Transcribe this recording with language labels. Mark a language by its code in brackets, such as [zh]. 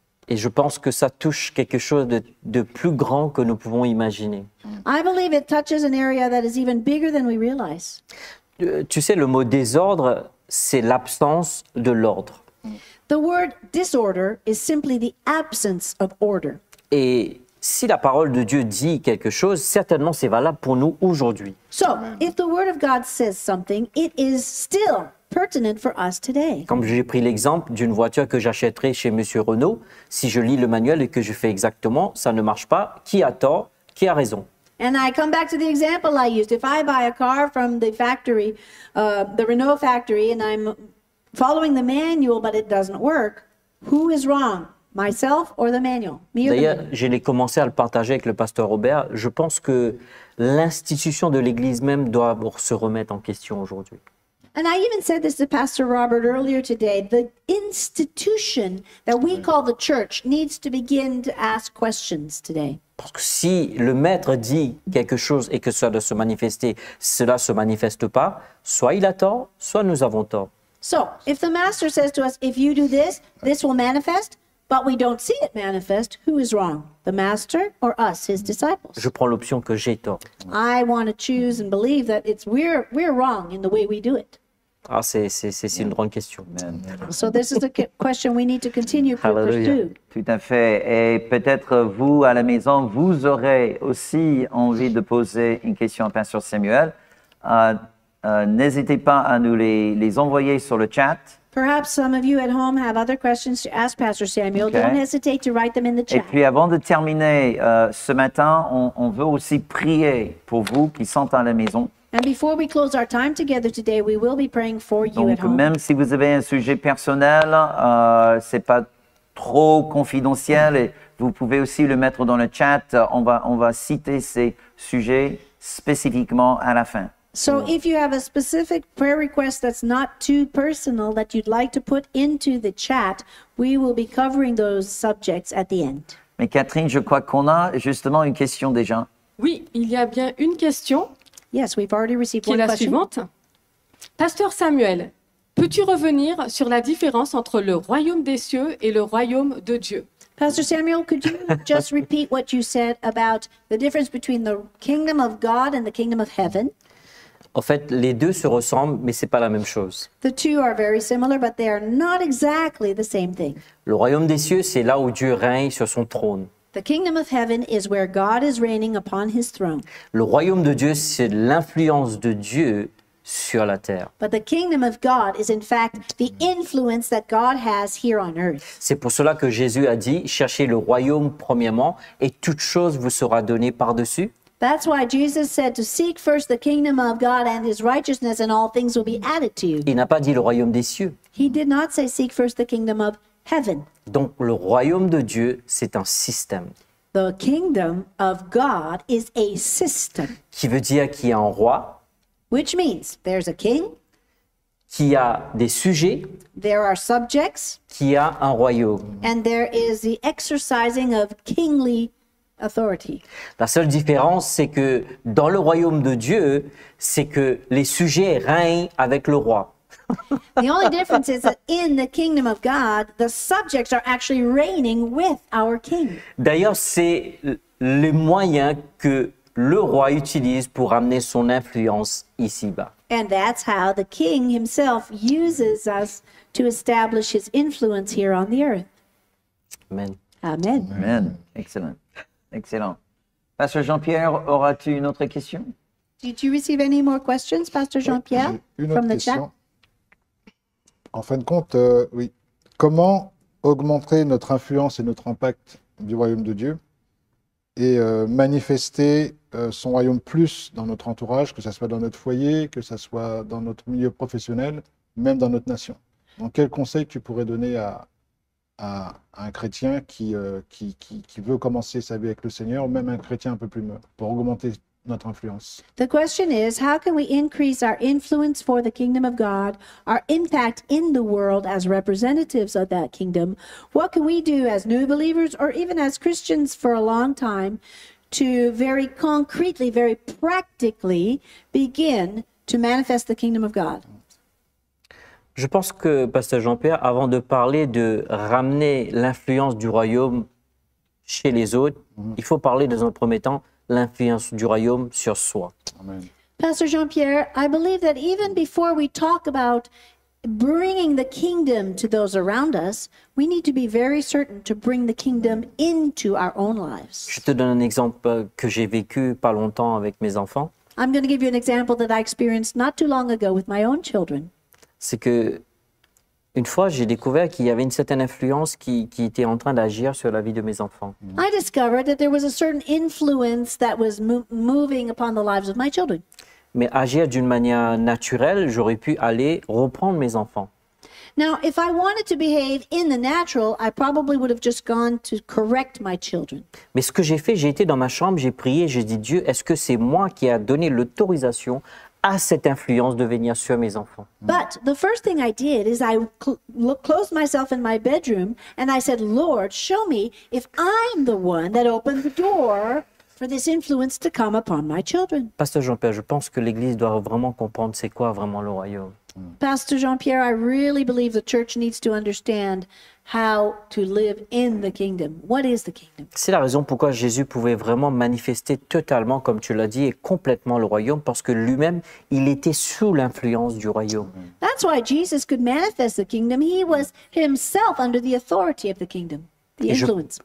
[fr] Et je pense que ça touche quelque chose de plus grand que nous pouvons imaginer. [en] I believe it touches an area that is even bigger than we realize. [fr] Tu sais, le mot désordre, c'est l'absence de l'ordre. [en] The word disorder is simply the absence of order. [fr] Et si la parole de Dieu dit quelque chose, certainement c'est valable pour nous aujourd'hui. [en] So, if the word of God says something, it is still pertinent for us today. [fr] Comme j'ai pris l'exemple d'une voiture que j'achèterai chez Monsieur Renault, si je lis le manuel et que je fais exactement, ça ne marche pas. Qui a tort? Qui a raison? [en] And I come back to the example I used. If I buy a car from the factory, the Renault factory, and I'm following the manual, but it doesn't work, who is wrong, myself or the manual? Me or [fr] d'ailleurs, [en] the manual? [fr] J'ai commencé à le partager avec le pasteur Robert. Je pense que l'institution de l'Église même doit se remettre en question aujourd'hui. [en] And I even said this to Pastor Robert earlier today. The institution that we call the church needs to begin to ask questions today. [fr] Parce que si le maître dit quelque chose et que ça doit se manifester, cela ne se manifeste pas, soit il a tort, soit nous avons tort. [en] So, if the master says to us, if you do this, this will manifest, but we don't see it manifest, who is wrong? The master or us, his disciples? [fr] Je prends l'option que j'ai tort. [en] I want to choose and believe that it's we're wrong in the way we do it. [fr] Ah, c'est une grande question. [en] Amen. So this is a question we need to continue to pursue. [fr] Tout à fait. Et peut-être vous, à la maison, vous aurez aussi envie de poser une question à Pasteur Samuel. N'hésitez pas à nous les envoyer sur le chat. [en] Perhaps some of you at home have other questions to ask Pastor Samuel. Okay. Don't hesitate to write them in the chat. [fr] Et puis avant de terminer ce matin, on veut aussi prier pour vous qui sentez à la maison. [en] And before we close our time together today, we will be praying for you. [fr] Donc, [en] at home. [fr] Même si vous avez un sujet personnel, c'est pas trop confidentiel. Et Vous pouvez aussi le mettre dans le chat. On va citer ces sujets spécifiquement à la fin. [en] So if you have a specific prayer request that's not too personal that you'd like to put into the chat, we will be covering those subjects at the end. [fr] Mais Kathryn, je crois qu'on a justement une question déjà. Oui, il y a bien une question. [en] Yes, we've already received [fr] qui [en] one [fr] est la [en] question. [fr] Suivante. Pasteur Samuel, peux-tu revenir sur la différence entre le royaume des cieux et le royaume de Dieu? [en] Pastor Samuel, could you just repeat what you said about the difference between the kingdom of God and the kingdom of heaven? [fr] En fait, les deux se ressemblent, mais ce n'est pas la même chose. [en] The two are very similar, but they are not exactly the same thing. [fr] Le royaume des cieux, c'est là où Dieu règne sur son trône. [en] The kingdom of heaven is where God is reigning upon his throne. [fr] Le royaume de Dieu, c'est l'influence de Dieu sur la terre. [en] But the kingdom of God is in fact the influence that God has here on earth. [fr] C'est pour cela que Jésus a dit, cherchez le royaume premièrement et toute chose vous sera donnée par-dessus. [en] That's why Jesus said to seek first the kingdom of God and his righteousness and all things will be added to you. [fr] Il n'a pas dit le royaume des cieux. [en] He did not say seek first the kingdom of heaven. [fr] Donc le royaume de Dieu, c'est un système. [en] The kingdom of God is a system. [fr] Qui veut dire qu'il y a un roi. [en] Which means there's a king. [fr] Qui a des sujets. [en] There are subjects. [fr] Qui a un royaume. [en] And there is the exercising of kingly authority. [fr] La seule différence, c'est que dans le royaume de Dieu, c'est que les sujets règnent avec le roi. [en] The only difference is that in the kingdom of God, the subjects are actually reigning with our king. [fr] D'ailleurs, c'est le moyen que le roi utilise pour amener son influence ici-bas. [en] And that's how the king himself uses us to establish his influence here on the earth. Amen. Amen. Amen. Excellent. Excellent. [fr] Pasteur Jean-Pierre, auras-tu une autre question? [en] Did you receive any more questions, Pasteur Jean-Pierre, from the chat? [fr] En fin de compte, oui. Comment augmenter notre influence et notre impact du royaume de Dieu et manifester son royaume plus dans notre entourage, que ce soit dans notre foyer, que ce soit dans notre milieu professionnel, même dans notre nation? Donc, quel conseil tu pourrais donner à un chrétien qui veut commencer sa vie avec le Seigneur, ou même un chrétien un peu plus mûr, pour augmenter notre influence? [en] The question is, how can we increase our influence for the kingdom of God, our impact in the world as representatives of that kingdom? What can we do as new believers or even as Christians for a long time to very concretely, very practically begin to manifest the kingdom of God? [fr] Je pense que, Pasteur Jean-Pierre, avant de parler de ramener l'influence du royaume chez les autres, il faut parler dans un premier temps l'influence du royaume sur soi. Amen. [en] Pasteur Jean-Pierre, I believe that even before we talk about bringing the kingdom to those around us, we need to be very certain to bring the kingdom into our own lives. [fr] Je te donne un exemple que j'ai vécu pas longtemps avec mes enfants. [en] I'm going to give you an example that I experienced not too long ago with my own children. [fr] C'est que une fois, j'ai découvert qu'il y avait une certaine influence qui était en train d'agir sur la vie de mes enfants. [en] I discovered that there was a certain influence that was moving upon the lives of my children. [fr] Mais agir d'une manière naturelle, j'aurais pu aller reprendre mes enfants. [en] Now, if I wanted to behave in the natural, I probably would have just gone to correct my children. [fr] Mais ce que j'ai fait, j'ai été dans ma chambre, j'ai prié, j'ai dit, Dieu, est-ce que c'est moi qui a donné l'autorisation à cette influence de venir sur mes enfants? [en] But the first thing I did is I closed myself in my bedroom and I said, Lord, show me if I'm the one that opened the door for this influence to come upon my children. [fr] Pasteur Jean-Pierre, je pense que l'Église doit vraiment comprendre c'est quoi vraiment le royaume. [en] Pastor Jean-Pierre, I really believe the church needs to understand how to live in the kingdom. What is the kingdom? [fr] C'est la raison pourquoi Jésus pouvait vraiment manifester totalement, comme tu l'as dit, et complètement le royaume, parce que lui-même, il était sous l'influence du royaume. [en] That's why Jesus could manifest the kingdom. He was himself under the authority of the kingdom, the influence.